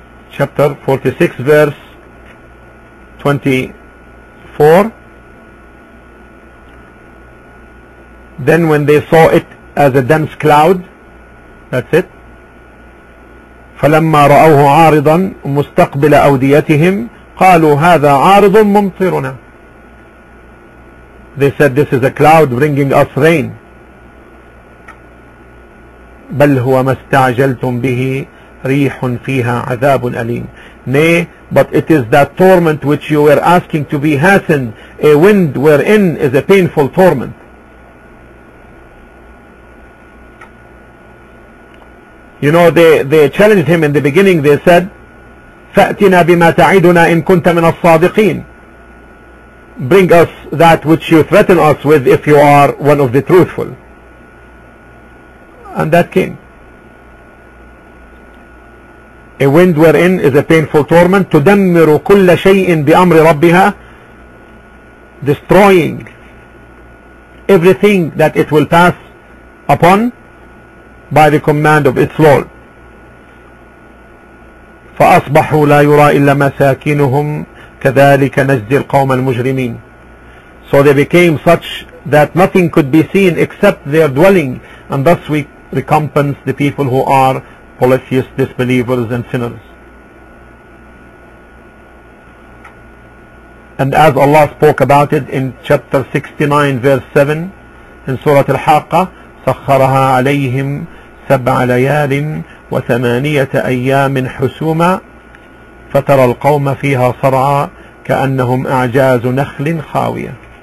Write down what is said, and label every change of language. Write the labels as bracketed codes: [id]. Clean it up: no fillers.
[en] Chapter 46 verse 24. Then when they saw it as a dense cloud, that's it. [ar] فلما رأوه عارضا مستقبل أوديتهم قالوا هذا عارض ممطرنا. [en] They said this is a cloud bringing us rain. [ar] بل هو ما استعجلتم به ريح فيها عذاب أليم. [en] Nay, but it is that torment which you were asking to be hastened, a wind wherein is a painful torment. You know, they challenged him in the beginning. They said, [ar] فأتنا بما تعدنا إن كنت من الصادقين. [en] Bring us that which you threaten us with if you are one of the truthful. And that came. A wind wherein is a painful torment. [ar] تدمر كل شيء بأمر ربها. [en] Destroying everything that it will pass upon by the command of its Lord. [ar] فأصبحوا لا يرى إلا مساكنهم كذلك نجزي القوم المجرمين. [en] So they became such that nothing could be seen except their dwelling, and thus we recompense the people who are polytheists, disbelievers and sinners. And as Allah spoke about it in chapter 69 verse 7 in Surah Al-Haqqa, [ar] سخرها عليهم سبع ليال وثمانية أيام حسوما فترى القوم فيها صرعى كأنهم أعجاز نخل خاوية.